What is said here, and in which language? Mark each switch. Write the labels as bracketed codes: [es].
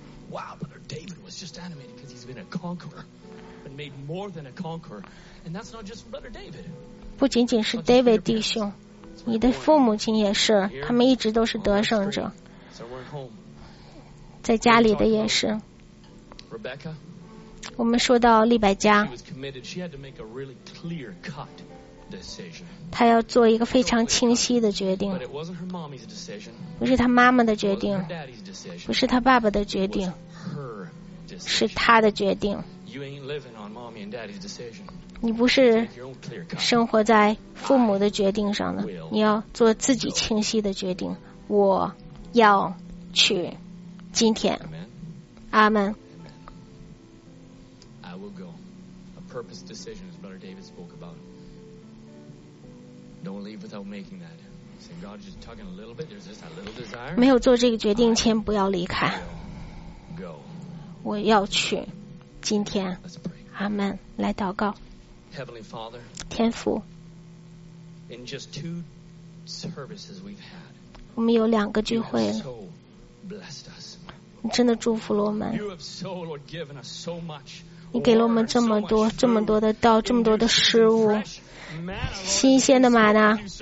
[en] Wow, Brother David was just animated because he's been a conqueror, but made more than a conqueror. And that's not just Brother David. [zh] 不仅仅是 David 弟兄，你的父母亲也是，他们一直都是得胜者。在家里的也是。 [en] Rebecca. [zh] 我们说到利百加。 [en] She was committed. She had to make a really clear cut decision. [zh] 她要做一个非常清晰的决定。 [en] But it wasn't her mommy's decision. [zh] 不是她妈妈的决定。 [en] It wasn't her daddy's decision. [zh] 不是她爸爸的决定。 [en] It wasn't her decision. [zh] 是她的决定。 [en] You ain't living on mommy and daddy's decision. [zh] 你不是生活在父母的决定上的，你要做自己清晰的决定。我要去今天。阿们。 [en] Purpose decision, as Brother David spoke about. Don't leave without making that. Say, God, just tugging a little bit. There's just a little desire. [zh] 没有做这个决定前，不要离开。 [en] Go. [zh] 我要去，今天。 [en] Let's pray. [zh] 阿门。来祷告。 [en] Heavenly Father. [zh] 天父。 [en] In just two services we've had. [zh] 我们有两个聚会。 [en] You have so blessed us. [zh] 你真的祝福了我们。 [en] You have so, Lord, given us so much. [zh] 你给了我们这么多，这么多的道，这么多的食物，新鲜的玛纳。